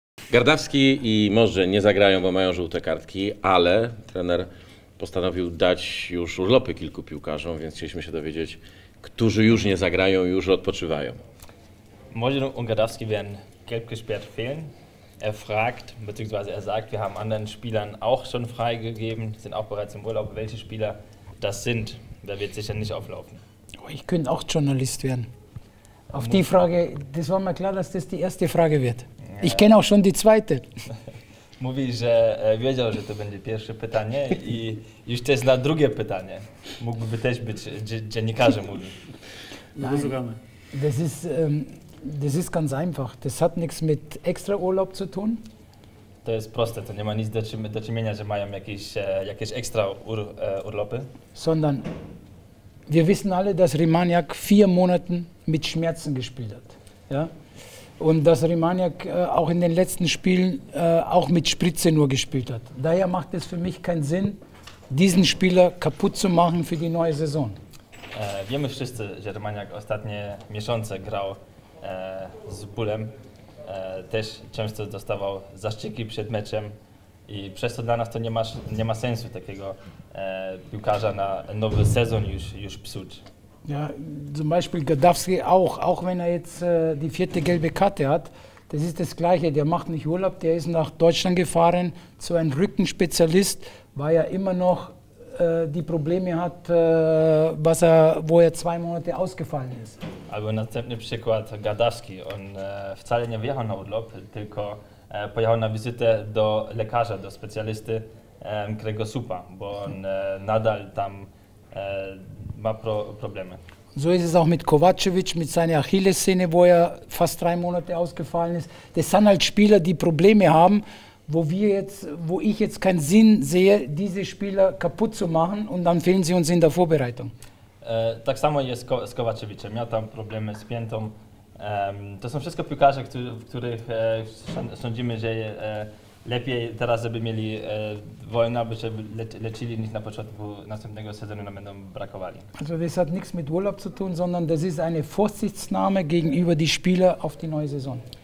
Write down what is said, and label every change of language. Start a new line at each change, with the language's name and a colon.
Polish: Gardawski i Morze nie zagrają, bo mają żółte kartki, ale trener postanowił dać już urlopy kilku piłkarzom, więc chcieliśmy się dowiedzieć, którzy już nie zagrają, już odpoczywają.
German: Morze und Gardawski werden gelb gesperrt fehlen. Er fragt, beziehungsweise er sagt, wir haben anderen Spielern auch schon freigegeben, sind auch bereits im Urlaub. Welche Spieler das sind, da wird sicher nicht auflaufen. Oh, ich könnte auch Journalist werden. Auf die Frage, das war mir klar, dass das die erste Frage wird. Ja. Ich kenne auch schon die zweite.
Polish: Mówi, że wiedział, że to będzie pierwsze pytanie i już też na drugie pytanie. Mógłby też być dziennikarzem. Mówi.
German: Das ist ganz einfach. Das hat nichts mit extra Urlaub zu tun.
Polish: To jest proste, to nie ma nic do czynienia, że mają jakieś extra Urlopy.
German: Sondern wir wissen alle, dass Rimaniak 4 Monate mit Schmerzen gespielt hat. Ja? Und dass Rimaniak auch in den letzten Spielen auch mit Spritze nur gespielt hat. Daher macht es für mich keinen Sinn, diesen Spieler kaputt zu machen für die neue Saison.
Polish: Wiemy wszyscy, że Rimaniak ostatnie miesiące grał z bólem, też często dostawał zaszczyki przed meczem i przez to dla nas to nie ma sensu takiego piłkarza na nowy sezon już psuć.
German: Ja, zum Beispiel Gardawski auch wenn er jetzt die vierte gelbe Karte hat, das ist das Gleiche, der macht nicht Urlaub, der ist nach Deutschland gefahren zu einem Rückenspezialist, weil er immer noch die Probleme hat, wo er 2 Monate ausgefallen ist.
Polish: Albo następny przykład, Gardawski. On wcale nie wyjechał na urlop, tylko pojechał na wizytę do lekarza, do specjalisty kręgosłupa, bo on nadal tam ma problemy.
German: So ist es auch mit Kovacevic, mit seiner Achillessehne, wo er fast 3 Monate ausgefallen ist. Das sind halt Spieler, die Probleme haben, wo ich jetzt keinen Sinn sehe, diese Spieler kaputt zu machen und dann fehlen sie uns in der Vorbereitung.
Polish: Tak samo jest z Kovacevicem. Miał tam problemy z piętą. To są wszystko piłkarze, w których sądzimy, że lepiej teraz, żeby mieli wojnę, aby się leczyli, niż na początku następnego sezonu nam będą brakowali.
German: Also das hat nichts mit Urlaub zu tun, sondern das ist eine Vorsichtsnahme gegenüber die Spieler auf die neue Saison.